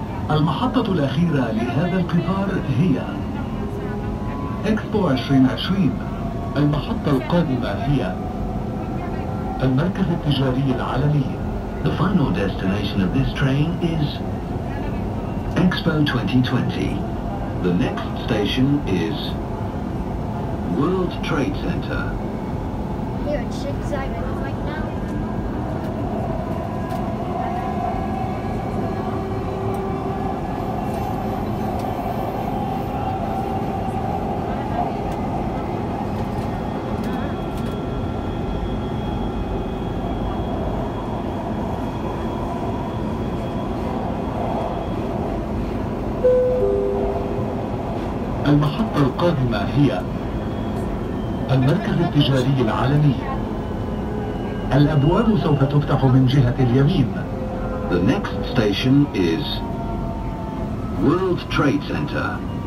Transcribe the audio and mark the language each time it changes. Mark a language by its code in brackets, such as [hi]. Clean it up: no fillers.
[ar] المحطة الأخيرة لهذا القطار هي إكسبو 2020. المحطة القادمة هي المركز التجاري العالمي. [en] The final destination of this train is Expo 2020. The next station is World Trade Center. Here it's zigzagging right now. [ar] المحطة القادمة هي المركز التجاري العالمي. الأبواب سوف تفتح من جهة اليمين. [en] The next station is World Trade Center.